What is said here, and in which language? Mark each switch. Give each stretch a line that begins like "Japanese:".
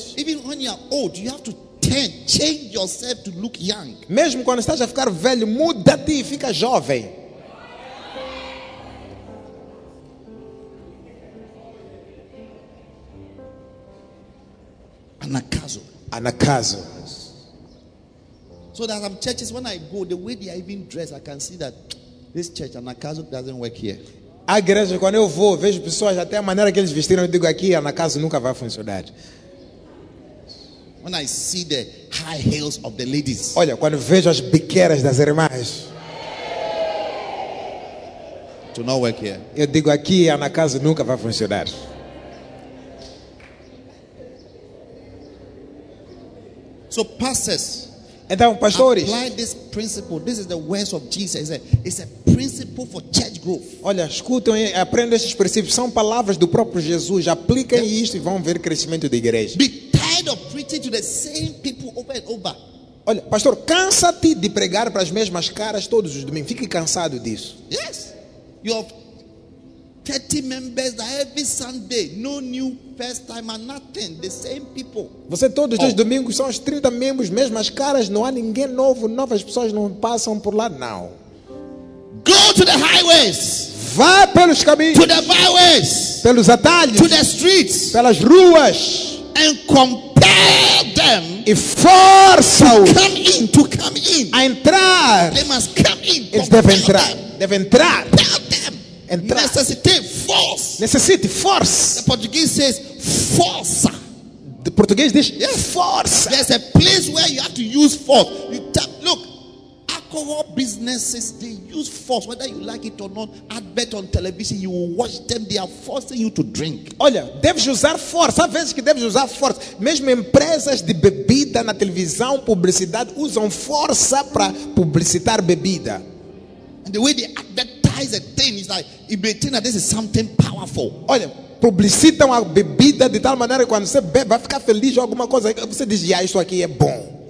English: So even when you are old, you have to tend, change yourself to look young.
Portuguese: Mesmo quando estás a ficar velho, muda-te e fica jovem. Anacaso. Anacaso.
English: So there are some churches when I go, the way they are even dressed, I can see that this church anacaso doesn't work here.
Portuguese: A igreja, quando eu vou, vejo pessoas até a maneira que eles vestiram, eu digo aqui anacaso nunca vai funcionar.
English: When I see the high heels of the ladies.
Portuguese: Olha, quando vejo as biqueiras das irmãs.
English: To not work here.
Portuguese: Eu digo aqui anacaso nunca vai funcionar.
English: So pastors.
Portuguese: Então, pastores,
English: apply this principle. This is the words of Jesus. It's a principle for church growth.
Portuguese: Olha, escutem, aprendam esses princípios. São palavras do próprio Jesus. Apliquem isso e vão ver crescimento da igreja.
English: Be tired of preaching to the same people over and over.
Portuguese: Olha, pastor, cansa-te de pregar para as mesmas caras todos os domingos. Fique cansado disso.
English: Yes. Your 30 members that every Sunday, no new first time and nothing, the same people.
Portuguese: Você todos os domingos são os 30 membros, mesmas caras, não há ninguém novo, novas pessoas não passam por lá, não.
English: Go to the highways.
Portuguese: Vá pelos caminhos.
English: To the byways.
Portuguese: Pelos atalhos.
English: To the streets.
Portuguese: Pelas ruas.
English: And compel them.
Portuguese: E força-os.
English: To come in.
Portuguese: A entrar.
English: They must come in.
Portuguese: Eles devem entrar. Devem entrar.
English: Compel them.
Portuguese: Entrar.
English: Necessite force. Necessite force. The Portuguese says força. The Portuguese
Portuguese: diz força.
English: There's a place where you have to use force. You tap, look. Alcohol businesses, they use force, whether you like it or not. Advert on television, you will watch them, they are forcing you to drink.
Portuguese: Olha, deves usar força. Há vezes que deves usar força. Mesmo empresas de bebida na televisão, publicidade, usam força para publicitar bebida.
English: And the way they advertise a thing is like, it may think that this is something powerful.
Portuguese: Olha, publicitam a bebida de tal maneira que quando você bebe, vai ficar feliz ou alguma coisa. Você diz, yeah, isso aqui é bom.